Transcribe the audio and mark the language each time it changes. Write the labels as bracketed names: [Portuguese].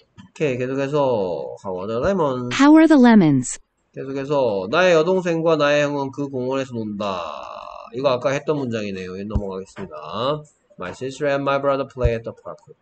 [Korean] 오케이 계속해서 [English] How are the lemons? How are the lemons? [Korean] 계속해서 나의 여동생과 나의 형은 그 공원에서 논다. 이거 아까 했던 문장이네요. 넘어가겠습니다. [English] My sister and my brother play at the park.